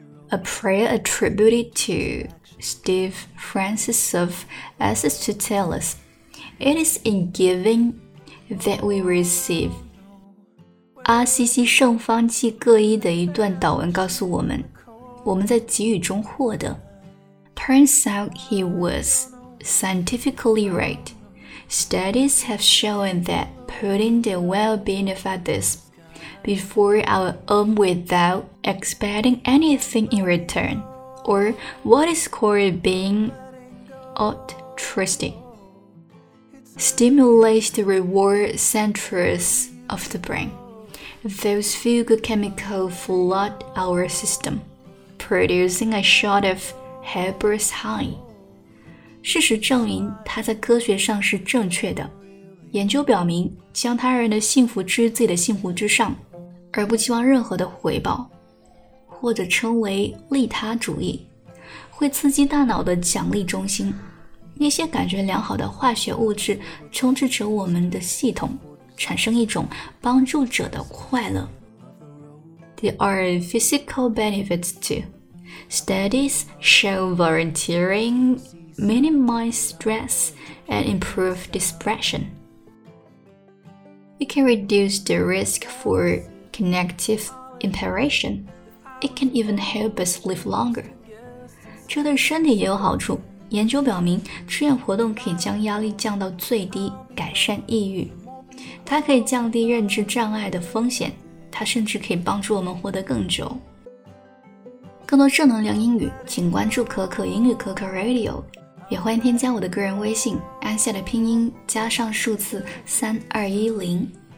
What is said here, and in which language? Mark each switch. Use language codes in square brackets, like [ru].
[en] A prayer attributed to Steve Francis of Assisi to tell us, "It is in giving that we receive." [zh] 阿西西圣方济各一的一段祷文告诉我们，我们在给予中获得。 [en] Turns out he was scientifically right. Studies have shown that putting the well-being of others before our own without expecting anything in return, or what is called being altruistic, stimulates the reward centers of the brain. Those few good chemicals flood our system, producing a shot of Heber's high. [zh] 事实证明他在科学上是正确的。研究表明，将他人的幸福置于自己的幸福之上，而不期望任何的回报，或者称为利他主义，会刺激大脑的奖励中心，那些感觉良好的化学物质充斥着我们的系统，产生一种帮助者的快乐。 [en] There are physical benefits too. Studies show volunteering minimizes stress and improves depression. It can reduce the risk for cognitive impairment. It can even help us live longer. [zh] 这对身体也有好处。研究表明，志愿活动可以将压力降到最低，改善抑郁。它可以降低认知障碍的风险，它甚至可以帮助我们活得更久。更多正能量英语，请关注可可英语可可 Radio， 也欢迎添加我的个人微信，安夏的拼音加上数字3210。